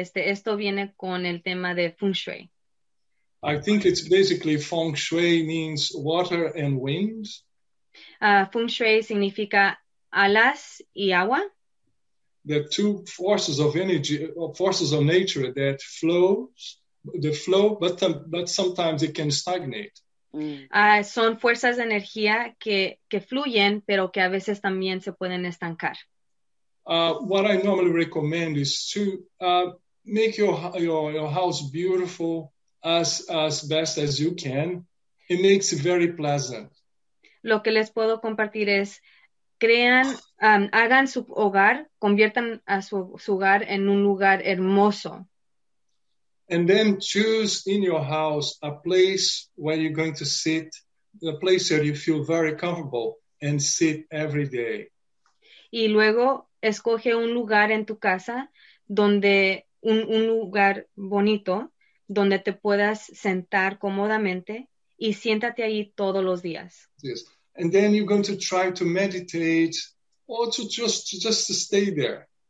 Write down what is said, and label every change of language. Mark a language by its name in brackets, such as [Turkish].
[Spanish] Esto viene con el tema de feng shui. [English] I think it's basically feng shui means water and wind. [Spanish] Feng shui significa alas y agua. [English] The two forces of energy, or forces of nature that flows, the flow, but sometimes it can stagnate. [Spanish] Son fuerzas de energía que fluyen, pero que a veces también se pueden estancar. [English] What I normally recommend is to make your house beautiful as best as you can. It makes it very pleasant. [Spanish] Lo que les puedo compartir es hagan su hogar, conviertan a su hogar en un lugar hermoso. [English] And then choose in your house a place where you're going to sit, a place where you feel very comfortable and sit every day. [Spanish] Y luego escoge un lugar en tu casa donde un lugar bonito donde te puedas sentar cómodamente y siéntate ahí todos los días. [English] Yes. And then you're going to try to meditate or to just stay there.